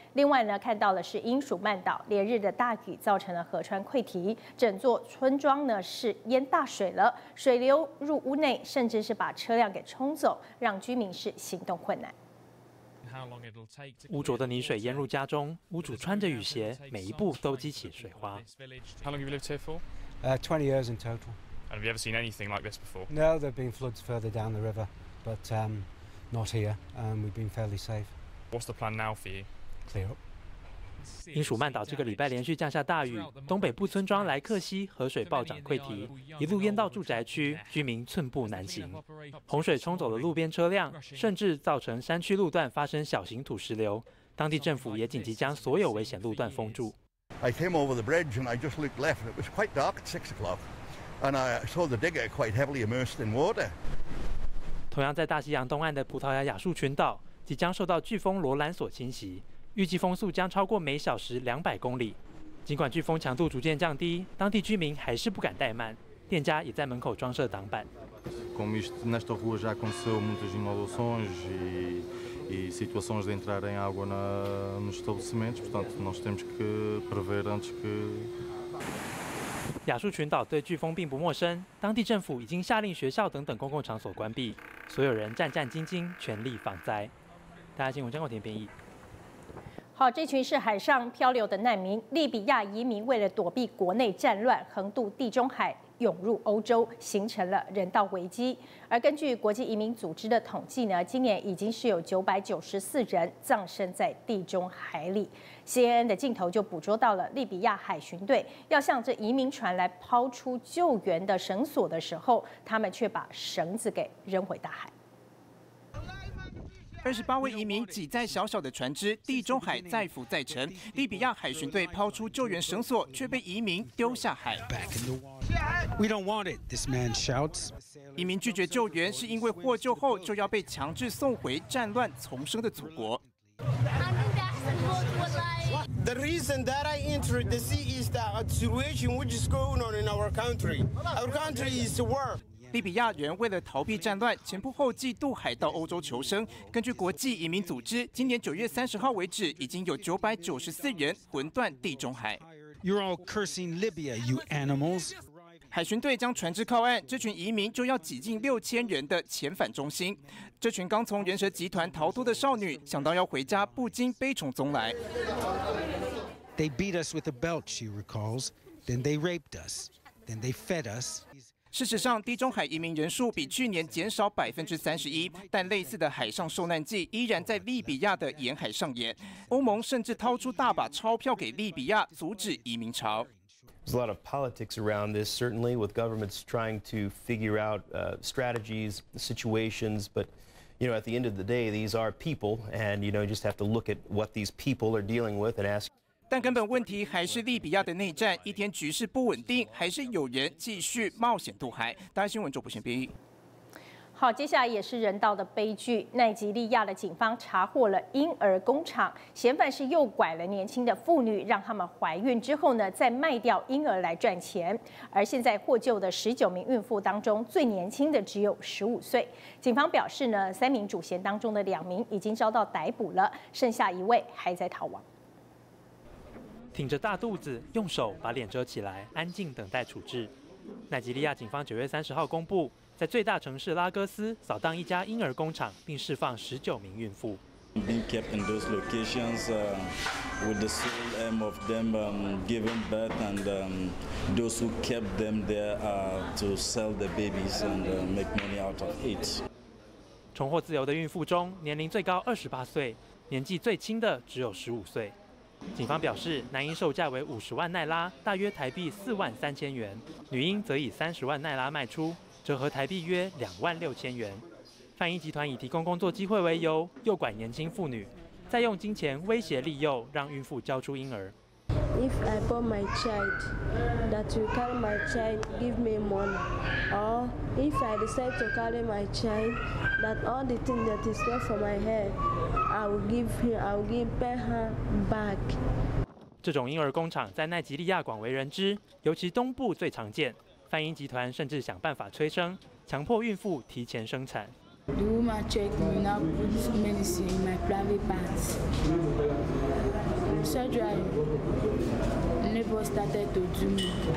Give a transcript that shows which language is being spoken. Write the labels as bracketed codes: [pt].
[zh] 另外呢，看到的是英属曼岛，连日的大雨造成了河川溃堤，整座村庄呢是淹大水了，水流入屋内，甚至是把车辆给冲走，让居民是行动困难。污浊的泥水淹入家中，屋主穿着雨鞋，每一步都激起水花。 [en] How long have you lived here for? 20 years in total. Have you ever seen anything like this before? No, there have been floods further down the river, but not here. We've been fairly safe. What's the plan now for you? Clear up. [zh] 英属曼岛这个礼拜连续降下大雨，东北部村庄莱克西河水暴涨溃堤，一路淹到住宅区，居民寸步难行。洪水冲走了路边车辆，甚至造成山区路段发生小型土石流。当地政府也紧急将所有危险路段封住。 [en] I came over the bridge and I just looked left. It was quite dark at 6 o'clock. And I saw the digger quite heavily immersed in water. [zh] 同样在大西洋东岸的葡萄牙亚速群岛，即将受到飓风罗兰索侵袭，预计风速将超过每小时200公里。尽管飓风强度逐渐降低，当地居民还是不敢怠慢，店家也在门口装设挡板。 [pt] Como isto nesta rua já aconteceu muitas inundações e situações de entrarem água nos estabelecimentos, portanto nós temos que prever antes que. [zh] 亚速群岛对飓风并不陌生，当地政府已经下令学校等公共场所关闭，所有人战战兢兢，全力防灾。大家新闻张国田编译。好，这群是海上漂流的难民，利比亚移民为了躲避国内战乱，横渡地中海涌入欧洲，形成了人道危机。而根据国际移民组织的统计呢，今年已经是有994人葬身在地中海里。 CNN 的镜头就捕捉到了利比亚海巡队要向这移民船来抛出救援的绳索的时候，他们却把绳子给扔回大海。 28位移民挤在小小的船只，地中海再浮再沉，利比亚海巡队抛出救援绳索，却被移民丢下海。 [en] We don't want it, this man shouts. [zh] 移民拒绝救援是因为获救后就要被强制送回战乱丛生的祖国。 [en] The reason that I entered the sea is the situation which is going on in our country. Our country is war. [zh] 利比亚人为了逃避战乱，前仆后继渡海到欧洲求生。根据国际移民组织，今年9月30号为止，已经有994人魂断地中海。 [en] You're all cursing Libya, you animals. [zh] 海巡队将船只靠岸，这群移民就要挤进6000人的遣返中心。这群刚从人蛇集团逃脱的少女，想到要回家，不禁悲从中来。 [en] They beat us with a belt, she recalls. Then they raped us. Then they fed us. [zh] 事实上，地中海移民人数比去年减少31%，但类似的海上受难季依然在利比亚的沿海上演。欧盟甚至掏出大把钞票给利比亚，阻止移民潮。 [en] There's a lot of politics around this, certainly with governments trying to figure out strategies, situations. But you know, at the end of the day, these are people, and you know, just have to look at what these people are dealing with and ask. [zh] 但根本问题还是利比亚的内战，一天局势不稳定，还是有人继续冒险渡海。大新闻周不贤编译。好，接下来也是人道的悲剧，奈及利亚的警方查获了婴儿工厂，嫌犯是诱拐了年轻的妇女，让他们怀孕之后呢，再卖掉婴儿来赚钱。而现在获救的19名孕妇当中，最年轻的只有15岁。警方表示呢，三名主嫌当中的两名已经遭到逮捕了，剩下一位还在逃亡。挺着大肚子，用手把脸遮起来，安静等待处置。奈及利亚警方9月30号公布，在最大城市拉哥斯扫荡一家婴儿工厂，并释放19名孕妇。 [en] Being kept in those locations, with the sole aim of them giving birth, and those who kept them there are to sell the babies and make money out of it. [zh] 重获自由的孕妇中，年龄最高28岁，年纪最轻的只有15岁。警方表示，男婴售价为50万奈拉，大约台币43000元，女婴则以30万奈拉卖出，折合台币约26000元。贩婴集团以提供工作机会为由，诱拐年轻妇女，再用金钱威胁利诱，让孕妇交出婴儿。 [en] If I bore my child, that will carry my child, give me money. Or if I decide to carry my child, that all the things that is left for my head, I will pay her back. [zh] 这种婴儿工厂在奈及利亚广为人知，尤其东部最常见。贩婴集团甚至想办法催生，强迫孕妇提前生产。 [en] The woman checked me now, put some medicine in my private parts. Surgery, labor started to do me.